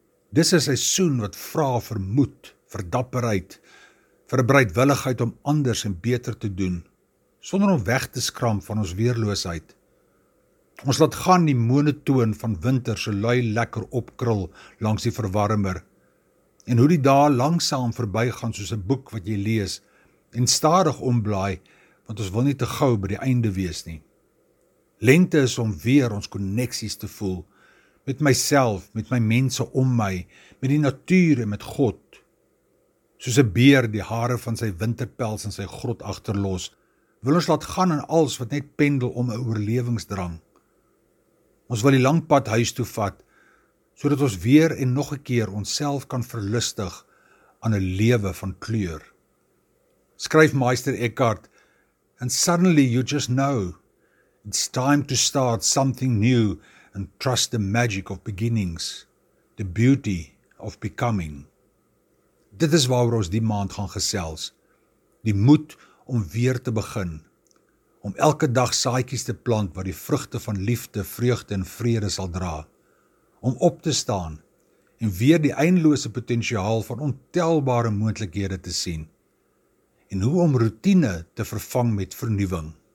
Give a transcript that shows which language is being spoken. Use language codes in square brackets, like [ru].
[af] Dis 'n seisoen wat vra vir moed, vir dapperheid, vir bereidwilligheid om anders en beter te doen, sonder om weg te skram van ons weerloosheid. Ons laat gaan die monotoon van winter so lui lekker opkrul langs die verwarmer, en hoe die dae langsaam verbygaan soos 'n boek wat jy lees, en stadig omblaai, want ons wil nie te gou by die einde wees nie. Lente is om weer ons koneksies te voel, met myself, met my mense om my, met die natuur en met God. Soos 'n beer die hare van sy winterpels in sy grot agterlos, wil ons laat gaan in alles wat net pendel om 'n oorlewingsdrang. Ons wil die lang pad huis toe vat, sodat ons weer en nog 'n keer onsself kan verlustig aan 'n lewe van kleur. Skryf [en] Meister Eckhart, "And suddenly you just know, it's time to start something new and trust the magic of beginnings, the beauty of becoming." [af] Dit is waaroor ons die maand gaan gesels. Die moed om weer te begin, om elke dag saaitjies te plant wat die vrugte van liefde, vreugde en vrede sal dra, om op te staan en weer die eindelose potensiaal van ontelbare moontlikhede te sien, en hoe om rotine te vervang met vernuwing.